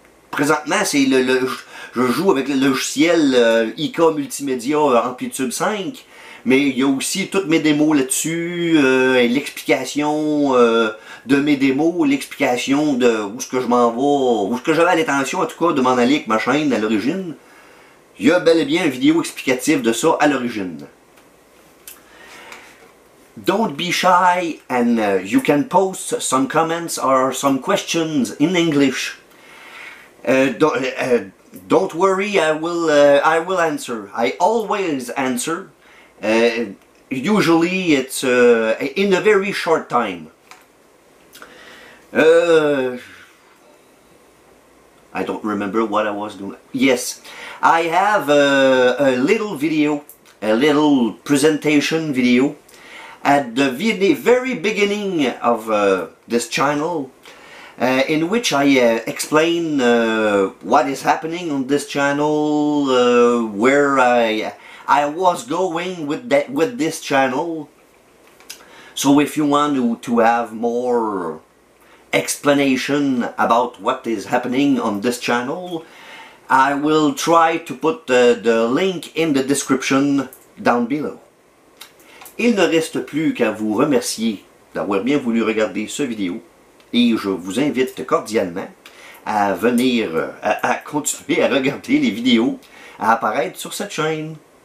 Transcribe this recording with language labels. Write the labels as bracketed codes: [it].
[fr] Présentement, c'est je joue avec le logiciel IK Multimédia Amplitude 5, mais il y a aussi toutes mes démos là-dessus, et l'explication de mes démos, l'explication de où est-ce que je m'en vais, où est-ce que j'avais l'intention, en tout cas, de m'en aller avec ma chaîne à l'origine. Il y a bel et bien une vidéo explicative de ça à l'origine. [en] Don't be shy and you can post some comments or some questions in English. Don't worry, I will answer. I always answer. Usually it's in a very short time. I don't remember what I was doing. Yes, I have a little video, a little presentation video. At the very beginning of this channel, in which I explain what is happening on this channel, where I was going with that with this channel. So if you want to have more explanation about what is happening on this channel, I will try to put the link in the description down below. [fr] Il ne reste plus qu'à vous remercier d'avoir bien voulu regarder ce vidéo et je vous invite cordialement à venir, à continuer à regarder les vidéos à apparaître sur cette chaîne.